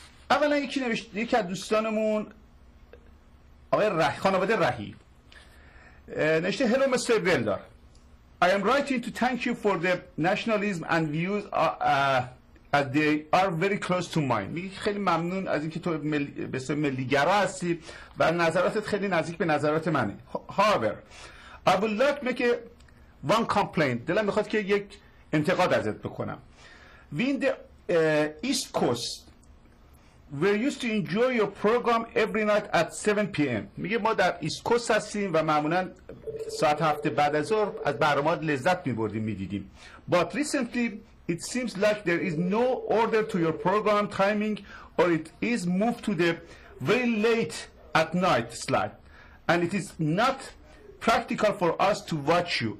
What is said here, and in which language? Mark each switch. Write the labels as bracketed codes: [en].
[fa] اولا یکی نوشته، یکی از دوستانمون آقای خانواده رهی نوشته: هلو مستر دلدار، [en] I am writing to thank you for the nationalism and views as they are very close to mine. [fa] میگه خیلی ممنون از اینکه تو بسیار ملیگرا هستی و نظراتت خیلی نزدیک به نظرات منه. [en] However, I would like to make one complaint. [fa] دلم میخواد که یک انتقاد ازت بکنم. [en] We in the East Coast we're used to enjoy your program every night at 7 p.m. [fa] میگه ما در ایست کوست هستیم و معمولا ساعت هفته بعد از ظهر از برنامه لذت میبردیم میدیدیم. [en] But recently it seems like there is no order to your program timing or it is moved to the very late at night slot and it is not practical for us to watch you.